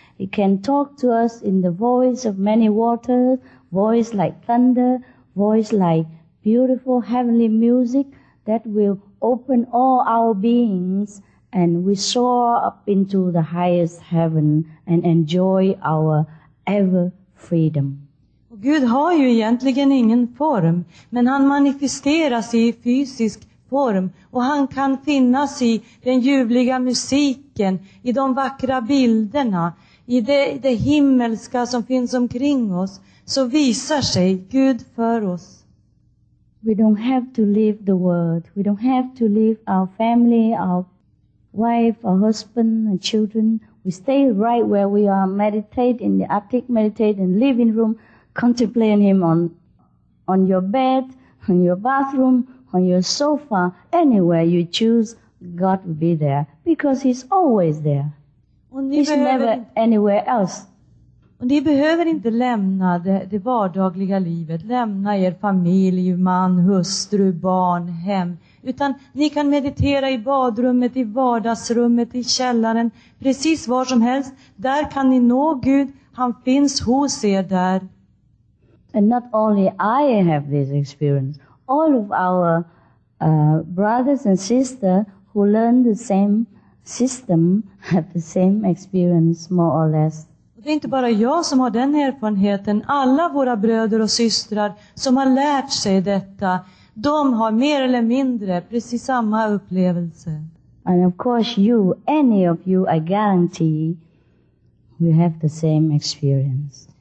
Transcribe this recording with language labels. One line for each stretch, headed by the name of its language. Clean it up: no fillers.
English: He can talk to us in the voice of many waters, voice like thunder, voice like beautiful heavenly music that will open all our beings and we soar up into the highest heaven and enjoy our ever freedom.
Swedish: Gud har ju egentligen ingen form, men han manifesteras i fysisk form och han kan finnas i den ljuvliga musiken, i de vackra bilderna, i det himmelska som finns omkring oss, så visar sig Gud för oss.
English: We don't have to leave the world. We don't have to leave our family, our wife, our husband, our children. We stay right where we are, meditate in the attic, meditate in the living room, contemplating him on your bed, in your bathroom, on your sofa, anywhere you choose, God will be there because he's always there. He's never anywhere else.
Swedish: Och ni behöver inte lämna det vardagliga livet, lämna er familj, man, hustru, barn, hem. Utan ni kan meditera i badrummet, i vardagsrummet, i källaren, precis var som helst. Där kan ni nå Gud, han finns hos er där.
English: And not only I have this experience, all of our brothers and sisters who learn the same system have the same experience more or less.
Swedish: Det är inte bara jag som har den erfarenheten. Alla våra bröder och systrar som har lärt sig detta, de har mer eller mindre precis samma upplevelse.
English: And of course you, any of you, I guarantee you have the same experience.